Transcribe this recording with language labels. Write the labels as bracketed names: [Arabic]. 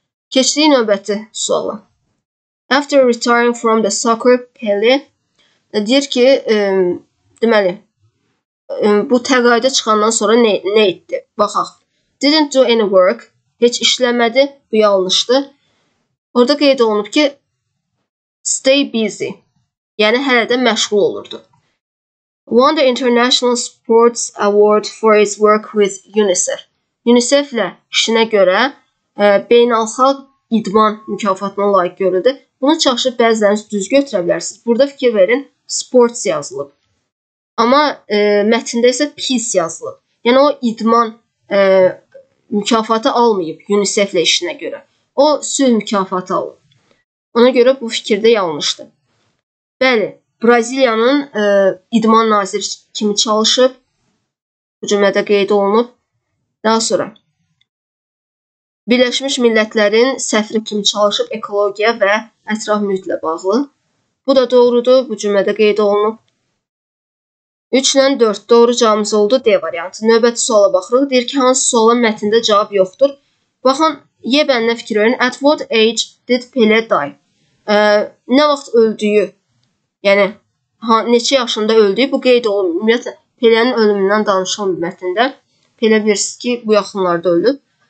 [Azerbaijani] Keçdiyi növbəti suala. [English] After retiring from the soccer, [Azerbaijani] Pele deyir ki, deməli, bu təqaüdə çıxandan sonra nə etdi? Baxaq. [English] Didn't do any work. [Azerbaijani] Heç işləmədi. Bu yanlışdır. Orada qeyd olunub ki, [English] stay busy. [Azerbaijani] Yəni, hələ də məşğul olurdu. [English] Won the International Sports Award for his work with UNICEF. [Azerbaijani] UNICEF ilə işinə görə beynəlxalq idman mükafatına layiq görüldü. Bunu çaxışıb bəziləriniz düz götürə bilərsiniz. Burada fikir verin, sports yazılıb. Amma mətində isə peace yazılıb. Yəni, o idman mükafatı almayıb UNICEF ilə işinə görə. O, sülh mükafatı alıb. Ona görə bu fikirdə yanlışdır. Bəli, Braziliyanın idman naziri kimi çalışıb, bu cümlədə qeyd olunub. Daha sonra, Birləşmiş Millətlərin səfri kimi çalışıb ekologiya və ətraf mühitlə bağlı. Bu da doğrudur, bu cümlədə qeyd olunub. 3-lə 4 doğru cavabımız oldu, D variantı. Növbəti suala baxırıq, deyir ki, hansı suala mətində cavab yoxdur. Baxın, yebənlə fikir verin, [English] at what age did Pelé die? [Azerbaijani] Nə vaxt öldüyü? Yəni, neçə yaşında öldüyü bu qeyd olunub. Ümumiyyətlə, Pelənin ölümündən danışılmıb mətnində. Pelə bilirsiniz ki, bu yaxınlarda ölüb.